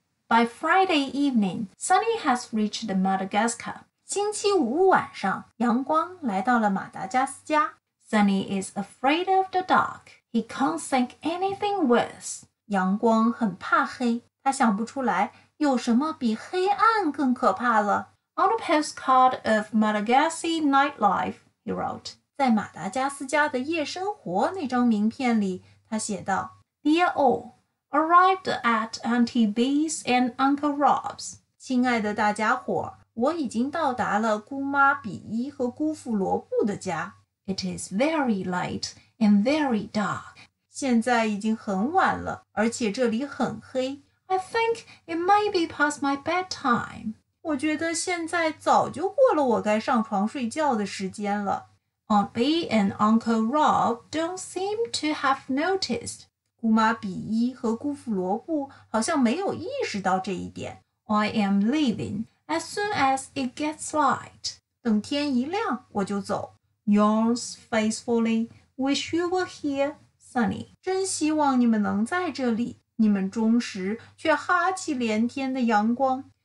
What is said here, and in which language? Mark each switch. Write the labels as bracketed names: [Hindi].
[English] By Friday evening, Sunny has reached Madagascar. [Chinese] 星期五晚上，阳光来到了马达加斯加。 [English] Sunny is afraid of the dark. He can't think anything worse. [Chinese] 阳光很怕黑，他想不出来有什么比黑暗更可怕了。 [English] On the postcard of Malagasy nightlife, he wrote. [Chinese] 在马达加斯加的夜生活那张名片里，他写道 [English] Dear all, arrived at Auntie B's and Uncle Rob's. [Chinese] 亲爱的大家伙，我已经到达了姑妈比伊和姑父罗布的家。 [English] It is very light and very dark. [Chinese] 现在已经很晚了，而且这里很黑。 [English] I think it may be past my bedtime. [Chinese] 我觉得现在早就过了我该上床睡觉的时间了。 [English] Aunt Bee and Uncle Rob don't seem to have noticed. [Chinese] 姑妈比伊和姑父罗布好像没有意识到这一点。 [English] I am leaving as soon as it gets light. [Chinese] 等天一亮我就走。 [English] Yours faithfully, wish you were here, Sunny. [Chinese] 真希望你们能在这里，你们忠实却哈气连天的阳光。